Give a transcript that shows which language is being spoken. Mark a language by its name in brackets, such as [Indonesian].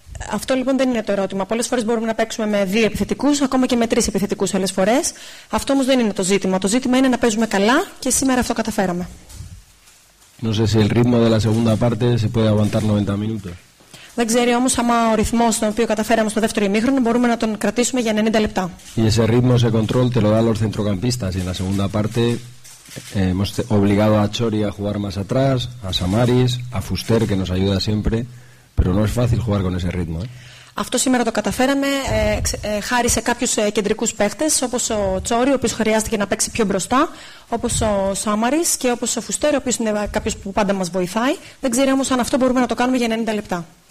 [Greek] Αυτό λοιπόν δεν είναι το ερώτημα. Πολλές φορές μπορούμε να παίξουμε με δύο επιθετικούς, ακόμα και με τρεις επιθετικούς άλλες φορές. Αυτό όμως δεν είναι το ζήτημα. Το ζήτημα είναι να παίζουμε καλά και σήμερα αυτό καταφέραμε. [Spanish] No sé si el ritmo de la segunda parte se puede aguantar 90 minutos. [Greek] Δεν ξέρει όμως άμα ο ρυθμός τον οποίο καταφέραμε στο δεύτερο ημίχρονο μπορούμε να τον κρατήσουμε για 90 λεπτά. [Spanish] Y ese ritmo, ese control te lo dan los centrocampistas. Y en la segunda parte hemos obligado a Chori a jugar más atrás, a Samaris, a Fuster que nos ayuda siempre. Pero no es fácil jugar con ese ritmo. [Greek] Αυτό σήμερα το καταφέραμε χάρη σε κάποιους κεντρικούς παίχτες όπως ο Τσόρι, ο οποίος χρειάστηκε να παίξει πιο μπροστά, όπως ο Σάμαρης και όπως ο Φουστέρ, ο οποίος είναι κάποιος που πάντα μας βοηθάει. Δεν ξέρει όμως αν αυτό μπορούμε να το κάνουμε για 90 λεπτά.